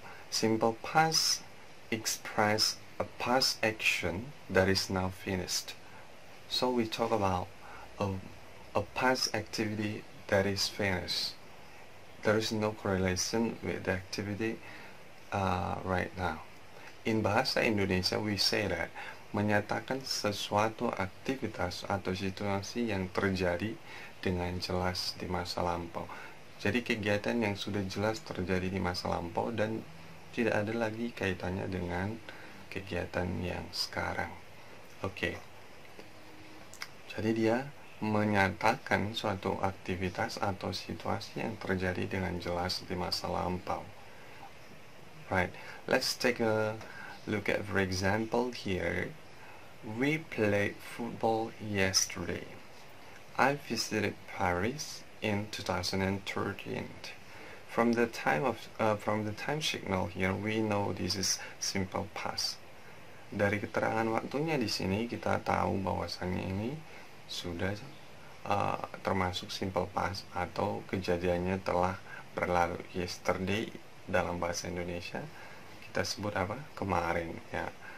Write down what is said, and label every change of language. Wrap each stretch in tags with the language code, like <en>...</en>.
<en>Simple past express a past action that is now finished. So we talk about a past activity that is finished. There is no correlation with the activity right now. In bahasa Indonesia, we say that</en> <id>menyatakan sesuatu aktivitas atau situasi yang terjadi dengan jelas di masa lampau. Jadi kegiatan yang sudah jelas terjadi di masa lampau dan tidak ada lagi kaitannya dengan kegiatan yang sekarang. Oke. Jadi dia menyatakan suatu aktivitas atau situasi yang terjadi dengan jelas di masa lampau.</id> <en>Right. Let's take a look at for example here. We played football yesterday. I visited Paris in 2013. From the time signal here, we know this is simple past.</en> <id>Dari keterangan waktunya di sini kita tahu bahwasannya ini sudah termasuk simple past atau kejadiannya telah berlalu. Yesterday dalam bahasa Indonesia kita sebut apa? Kemarin ya.</id>